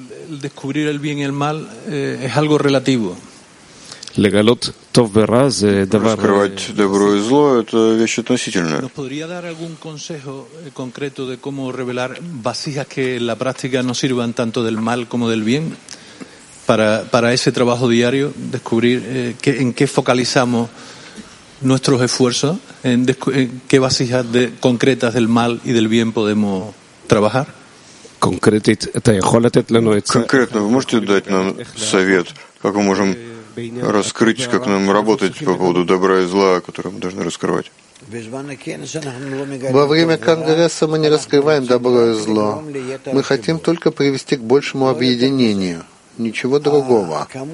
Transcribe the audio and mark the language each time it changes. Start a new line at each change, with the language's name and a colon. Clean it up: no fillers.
Spanish: descubrir el bien y el mal es algo relativo.
Hebrew: Леголот тов вера, зе давар...
Russian: Раскрывать добро и зло — это вещь относительная.
Spanish: ¿Nos podría dar algún consejo concreto de cómo revelar vasijas que en la práctica no sirvan tanto del mal como del bien? Para ese trabajo diario, descubrir en qué focalizamos nuestros esfuerzos, en qué vasijas concretas del mal y del bien podemos trabajar.
Russian: Конкретно, вы можете дать нам совет, как мы можем раскрыть, как нам работать по поводу добра и зла, которые мы должны раскрывать? Во время Конгресса мы не раскрываем добро и зло. Мы хотим только привести к большему объединению. Ничего другого.